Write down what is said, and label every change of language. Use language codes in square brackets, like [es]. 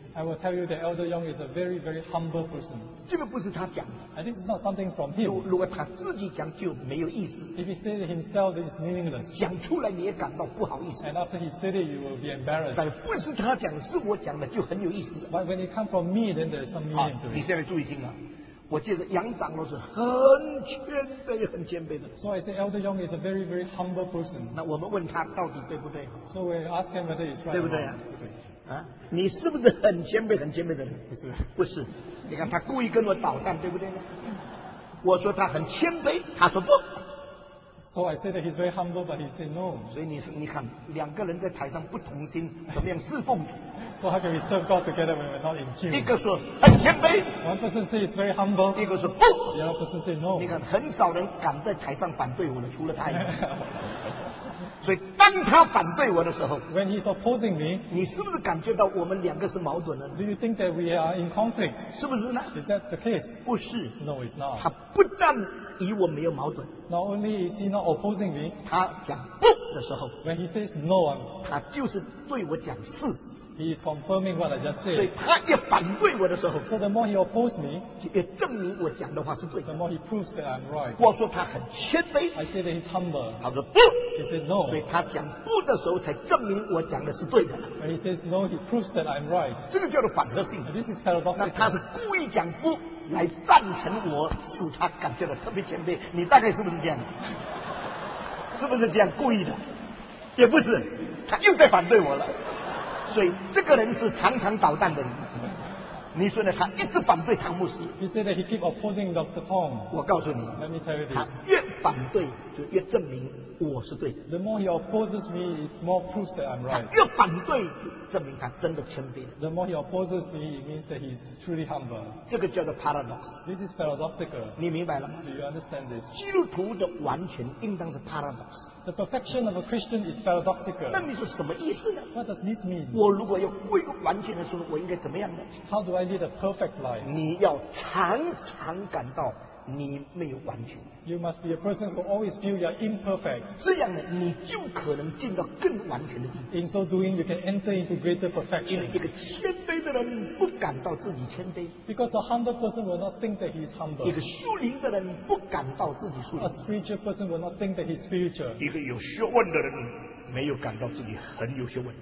[en] I will tell you that Elder Yong is a very, very humble person. [zh] 这个不是他讲的。 [en] And this is not something from him. [zh] 如果他自己讲就没有意思。 [en] If he said it himself, it is meaningless. [zh] 讲出来你也感到不好意思。 [en] And after he said it, you will be embarrassed. [zh] 但不是他讲，是我讲的，就很有意思。 [en] But when it comes from me, then there is some meaning to it. [zh] 你现在注意听啊。我记得杨长老是很谦卑、很谦卑的。 [en] So I say Elder Yong is a very, very humble person. [zh] 那我们问他到底对不对 [en] ？So we ask him whether he's right. [zh] 对不对啊？对。啊，你是不是很谦卑、很谦卑的人？不是，不是。你看他故意跟我捣蛋，对不对？我说他很谦卑，他说不。 [en] So I said that he's very humble, but he said no. [zh] 所以你看，两个人在台上不同心，怎么样侍奉？ [en] So how can we serve God together when we're not in tune? [zh] 一个说很谦卑。 [en] One person says he's very humble. [zh] 一个说不。 [en] The other person says no. [zh] 你看，很少人敢在台上反对我的，除了他。所以当他反对我的时候 [en] ，When he's opposing me， [zh] 你是不是感觉到我们两个是矛盾的 [en] ？Do you think that we are in conflict？ [zh] 是不是呢 [en] ？Is that the case？ [zh] 不是 [en] ，No, it's not。 [zh] 他不但与我没有矛盾 [en] ，Not only is he not opposing me， [zh] 他讲不的时候 [en] ，When he says no， [zh] 他就是对我讲是。 [en] He is confirming what I just said. [zh] 所以他一反对我的时候 [en] ，So the more he opposed me， [zh] 也证明我讲的话是对的。 [en] The more he proves that I'm right. [zh] 我说他很谦卑 [en] ，I said he's humble. [zh] 他说不 [en] ，He said no. [zh] 所以他讲不的时候，才证明我讲的是对的。 [en] When he says no, he proves that I'm right. [zh] 这个叫做反和性。 [en] This is paradox. [zh] 那他是故意讲不来赞成我，使他感觉到特别谦卑。你大概是不是这样？是不是这样故意的？也不是，他又在反对我了。所以这个人是常常捣蛋的人。你说呢？他一直反对唐牧师。 [en] He said that he keep opposing Dr. Tong. [zh] 我告诉你， [en] Let me tell you this. [zh] 他越反对，就越证明我是对的。 [en] The more he opposes me, it's more proof that I'm right. [zh] 他越反对，证明他真的谦卑。 [en] The more he opposes me, it means that he's truly humble. [zh] 这个叫做 paradox. [en] This is paradoxical. [zh] 你明白了吗？ [en] Do you understand this? [zh] 基督徒的完全应当是 paradox. [en] The perfection of a Christian is paradoxical. [zh] 那你是什么意思呢？ [en] What does this mean? [zh] 我如果要过一个完全的生活，我应该怎么样呢？ [en] How do I lead a perfect life? [zh] 你要常常感到你没有完全。 [en] You must be a person who always feel you're imperfect. [zh] 这样呢，你就可能进到更完全的地方。 [en] In so doing, you can enter into greater perfection. [zh] 因为一个谦卑的人不感到自己谦卑。 [en] Because a humble person will not think that he is humble. [zh] 一个属灵的人不感到自己属灵。 [en] A spiritual person will not think that he is spiritual. [zh] 一个有学问的人没有感到自己很有学问。